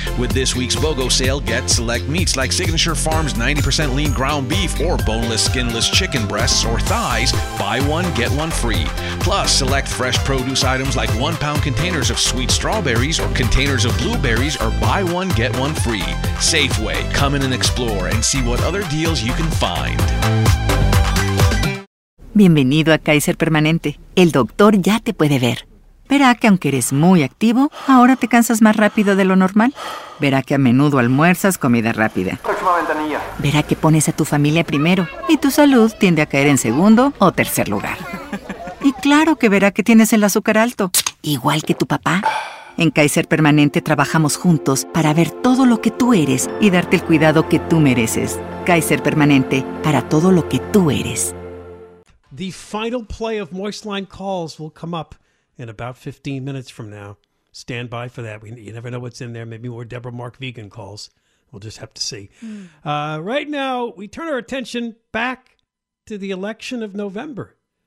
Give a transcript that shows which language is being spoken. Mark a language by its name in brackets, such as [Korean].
[English] With this week's BOGO sale, get select meats like Signature Farms 90% lean ground beef or boneless, skinless chicken breasts or thighs, buy one, get one free. Plus, select fresh produce items like 1 pound containers of sweet strawberries or containers of blueberries or buy one, get one free. Safeway, come in and explore and see what other deals you can find. [Spanish] Bienvenido a Kaiser Permanente. El doctor ya te puede ver. Verá que aunque eres muy activo, ahora te cansas más rápido de lo normal. Verá que a menudo almuerzas comida rápida. Próxima ventanilla. Verá que pones a tu familia primero y tu salud tiende a caer en segundo o tercer lugar. Y claro que verá que tienes el azúcar alto, igual que tu papá. En Kaiser Permanente trabajamos juntos para ver todo lo que tú eres y darte el cuidado que tú mereces. Kaiser Permanente, para todo lo que tú eres. [English] The final play of Moist Line Calls will come up in about 15 minutes from now. Stand by for that. You never know what's in there. Maybe more Deborah Mark vegan calls. We'll just have to see. Right now, we turn our attention back to the election of November.